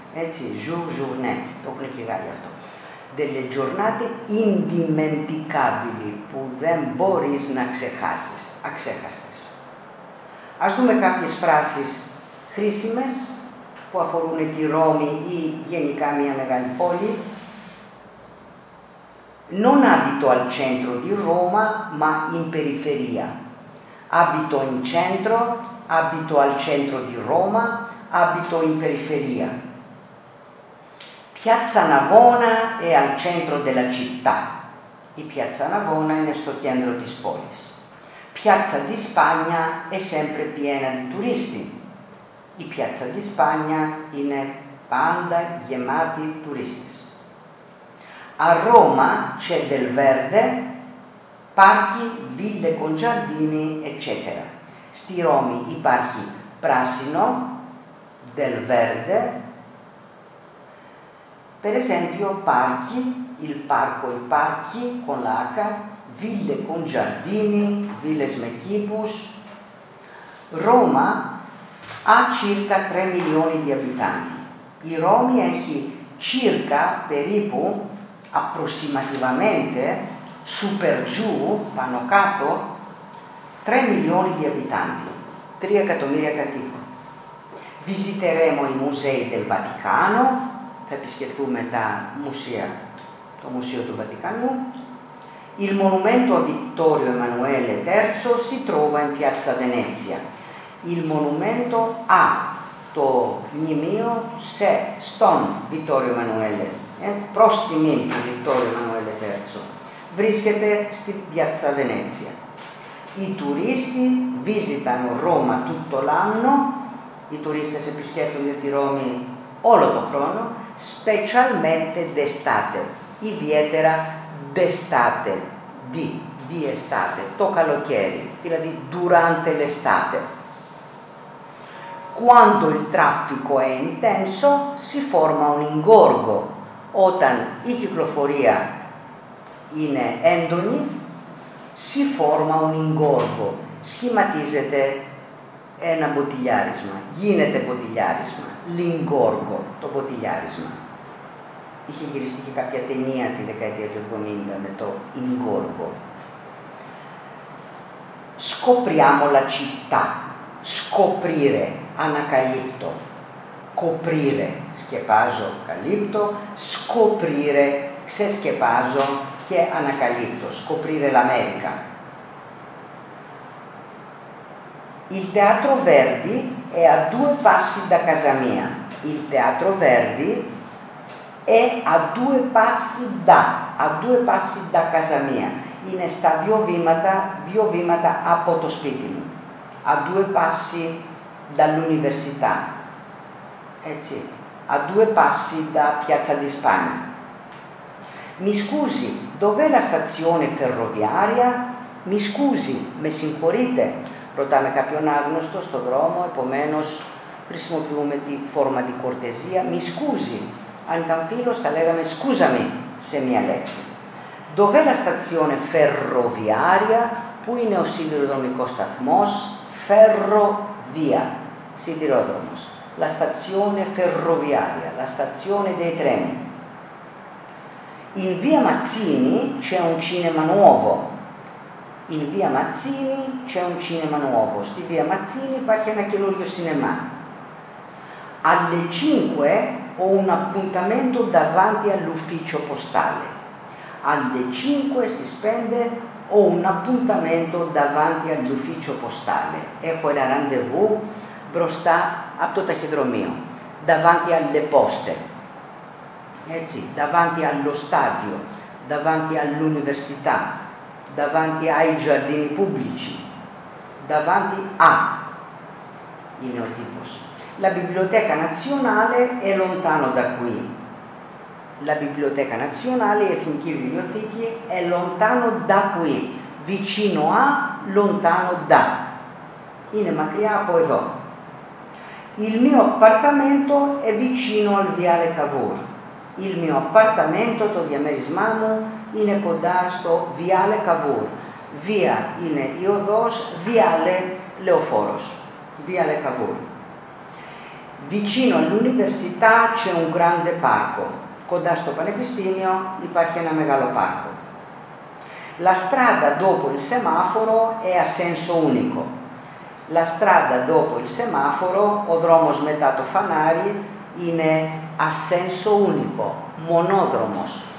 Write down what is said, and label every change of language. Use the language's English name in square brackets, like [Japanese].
[Greek] Έτσι, [French] jour, journée, [Greek] το έχουν και οι Γάλλοι αυτό. [Italian] Delle giornate indimenticabili, [Greek] που δεν μπορείς να ξεχάσεις, αξέχαστες. Ας δούμε κάποιες φράσεις χρήσιμες που αφορούν τη Ρώμη ή γενικά μια μεγάλη πόλη. [Italian] Non abito al centro di Roma, ma in periferia. Abito in centro, abito al centro di Roma, abito in periferia. Piazza Navona è al centro della città. [Greek] Η Piazza Navona είναι στο κέντρο της πόλης. [Italian] Piazza di Spagna è sempre piena di turisti. [Greek] Η Piazza di Spagna είναι πάντα γεμάτη τουρίστες. [Italian] A Roma c'è del verde, parchi, ville con giardini, eccetera. [Greek] Στη Ρώμη υπάρχει πράσινο, [Italian] del verde, per esempio parchi, il parco, i parchi, con l'H, ville con giardini, villes [Greek] με κήπους. [Italian] Roma ha circa 3 milioni di abitanti. [Greek] Η Ρώμη έχει circa, περίπου, [Italian] approssimativamente, super giù, [Greek] πάνω κάτω, [Italian] 3 milioni di abitanti, [Greek] 3 εκατομμύρια κατοίκων. [Italian] Visiteremo i musei del Vaticano, [Greek] θα επισκεφτούμε τα μουσεία, το Μουσείο του Βατικανού. [Italian] Il monumento a Vittorio Emanuele III si trova in Piazza Venezia. Il monumento a, [Greek] το μνημείο, σε, στον Vittorio Emanuele, προς τιμή του Βικτόριο Εμμανουέλε III, βρίσκεται στην Πιάτσα Βενέτσια. Οι τουρίστες [Italian] visitano Roma tutto l'anno, [Greek] οι τουρίστες επισκέφτονται τη Ρώμη όλο τον χρόνο, [Italian] specialmente d'estate, [Greek] ιδιαίτερα [Italian] d'estate, di estate, [Greek] το καλοκαίρι, δηλαδή [Italian] durante l'estate. Quando il traffico è intenso, si forma un ingorgo. [Greek] Όταν η κυκλοφορία είναι έντονη, [Italian] si forma un ingorgo, [Greek] σχηματίζεται ένα μποτιλιάρισμα, γίνεται μποτιλιάρισμα, [Italian] l'ingorgo, [Greek] το μποτιλιάρισμα. Είχε γυριστεί και κάποια ταινία τη δεκαετία του 70 με το ingorgo. [Italian] Scopriamo la città, scoprire, [Greek] ανακαλύπτω. Κοπρίρε, σκεπάζω, καλύπτω, σκοπρίρε, ξεσκεπάζω και ανακαλύπτω, σκοπρίρε l'America. [Italian] Il Teatro Verdi è a due passi da casa mia. Il Teatro Verdi è a due passi da, a due passi da casa mia. [Greek] Είναι στα δύο βήματα από το σπίτι μου. [Italian] A due passi dall'università. [Greek] Έτσι, [Italian] a due passi da Piazza di Spagna. Mi scusi, dov'è la stazione ferroviaria? Mi scusi, [Greek] με συγχωρείτε. Ρωτάμε κάποιον άγνωστο στον δρόμο, επομένως χρησιμοποιούμε τη φόρμα τη κορτεζία, μη σκούζι. Αν ήταν φίλος θα λέγαμε σκούζαμι σε μία λέξη. [Italian] Dov'è stazione ferroviaria, [Greek] που είναι ο σιδηροδρομικός σταθμός, ferrovia, σιδηρόδρομος. [Italian] La stazione ferroviaria, la stazione dei treni. In via Mazzini c'è un cinema nuovo. In via Mazzini c'è un cinema nuovo. [Greek] Στη via Mazzini υπάρχει ένα καινούριο σινεμά. [Italian] Alle 5 ho un appuntamento davanti all'ufficio postale. Alle 5 si spende ho un appuntamento davanti all'ufficio postale. [Greek] Έχω ένα ραντεβού μπροστά από το ταχυδρομείο. [Italian] Davanti alle poste. [Greek] Έτσι, [Italian] davanti allo stadio, davanti all'università, davanti ai giardini pubblici, davanti a, il neotipos. La Biblioteca Nazionale è lontano da qui. La Biblioteca Nazionale, [Greek] Εθνική Βιβλιοθήκη, [Italian] è lontano da qui. Vicino a, lontano da. [Greek] Είναι μακριά από εδώ. [Italian] Il mio appartamento è vicino al Viale Cavour. Il mio appartamento, [Greek] το διαμέρισμά μου, είναι κοντά στο Viale Cavour. Via είναι η οδός, Viale λεωφόρος. [Italian] Viale Cavour. Vicino all'università c'è un grande parco. [Greek] Κοντά στο Πανεπιστήμιο υπάρχει ένα μεγάλο πάρκο. [Italian] La strada dopo il semaforo è a senso unico. La strada dopo il semaforo, [Greek] ο δρόμος μετά το φανάρι, [Italian] είναι a senso unico, [Greek] μονόδρομος.